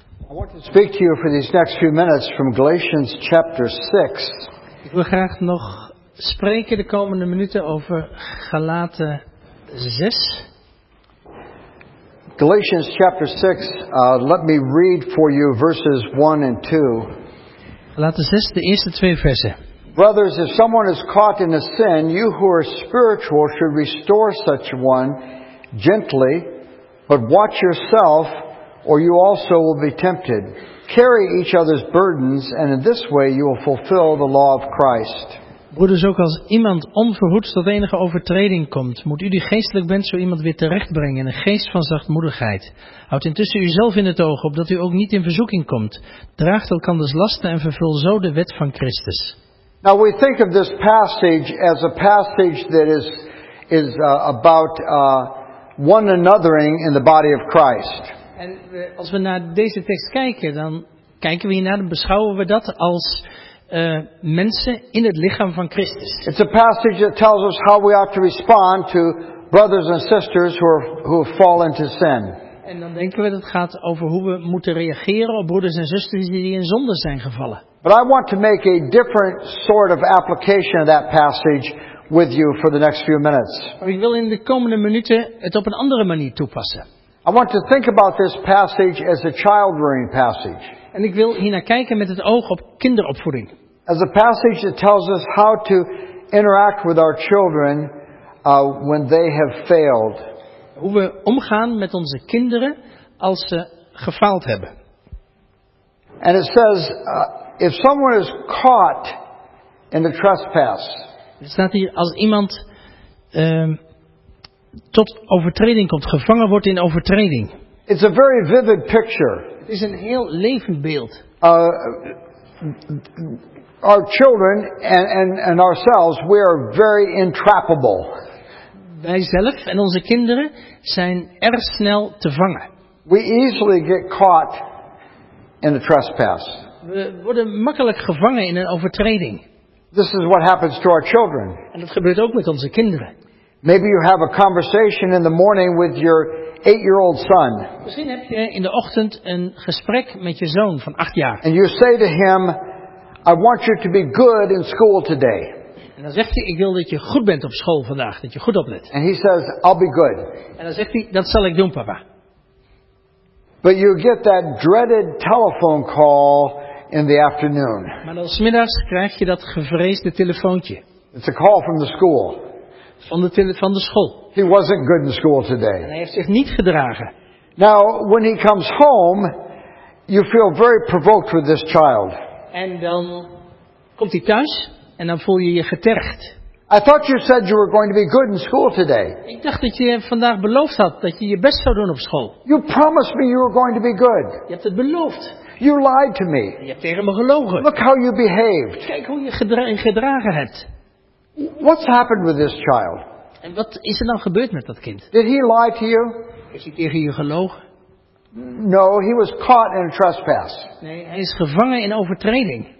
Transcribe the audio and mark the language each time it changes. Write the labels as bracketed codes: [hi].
[en] want to speak to you for these next few minutes from Galatians chapter 6. [nl] Ik wil graag nog spreken de komende minuten over Galaten 6. [en] Galatians chapter 6, let me read for you verses 1 and 2. [nl] Galaten 6, de eerste twee versen. [en] Brothers, if someone is caught in a sin, you who are spiritual should restore such one gently, but watch yourself, or you also will be tempted. Carry each other's burdens, and in this way you will fulfill the law of Christ. [nl] Broeders, ook als iemand onverhoeds tot enige overtreding komt, moet u die geestelijk bent zo iemand weer terechtbrengen in een geest van zachtmoedigheid. Houd intussen uzelf in het oog, opdat u ook niet in verzoeking komt. Draag elkanders lasten en vervul zo de wet van Christus. [en] Now we think of this passage as a passage that is about one anothering in the body of Christ. [nl] En als we naar deze tekst kijken, dan kijken we hiernaar, dan beschouwen we dat als mensen in het lichaam van Christus. [en] It's a passage that tells us how we ought to respond to brothers and sisters who have fallen into sin. [nl] En dan denken we dat het gaat over hoe we moeten reageren op broeders en zusters die in zonde zijn gevallen. [en] But I want to make a different sort of application of that passage with you for the next few minutes. [nl] Maar ik wil in de komende minuten het op een andere manier toepassen. [en] I want to think about this passage as a child-rearing passage. [nl] En ik wil hiernaar kijken met het oog op kinderopvoeding. [en] As a passage that tells us how to interact with our children when they have failed. [nl] Hoe we omgaan met onze kinderen als ze gefaald hebben. [en] And it says, if someone is caught in a trespass. [nl] Het staat hier als iemand tot overtreding komt, gevangen wordt in overtreding. [en] It's a very vivid picture. [nl] Het is een heel levend beeld. [en] Our children and ourselves, we are very entrappable. [nl] Wij zelf en onze kinderen zijn erg snel te vangen. [en] We easily get caught in a trespass. [nl] We worden makkelijk gevangen in een overtreding. [en] This is what happens to our children. [nl] En dat gebeurt ook met onze kinderen. [en] Maybe you have a conversation in the morning with your 8-year-old son. [nl] Misschien heb je in de ochtend een gesprek met je zoon van 8 jaar. [en] And you say to him, I want you to be good in school today. [nl] En dan zegt hij, ik wil dat je goed bent op school vandaag, dat je goed oplet. [en] And he says, I'll be good. [nl] En dan zegt hij, dat zal ik doen, papa. [en] But you get that dreaded telephone call in the afternoon. [nl] Maar dan 's middags krijg je dat gevreesde telefoontje. [en] It's a call from the school. [nl] Van de school. [en] He wasn't good in school today. [nl] En hij heeft zich niet gedragen. [en] Now, when he comes home, you feel very provoked with this child. [nl] En dan komt hij thuis en dan voel je je getergd. [en] I thought you said you were going to be good in school today. [nl] Ik dacht dat je vandaag beloofd had dat je je best zou doen op school. [en] You promised me you were going to be good. [nl] Je hebt het beloofd. [en] You lied to me. [nl] Je hebt tegen me gelogen. [en] Look how you behaved. [nl] Kijk hoe je gedragen hebt. [en] What's happened with this child? [nl] En wat is er dan gebeurd met dat kind? [en] Did he lie to you? [nl] Is hij tegen je gelogen? [en] No, he was caught in a trespass. [nl] Nee, hij is gevangen in overtreding.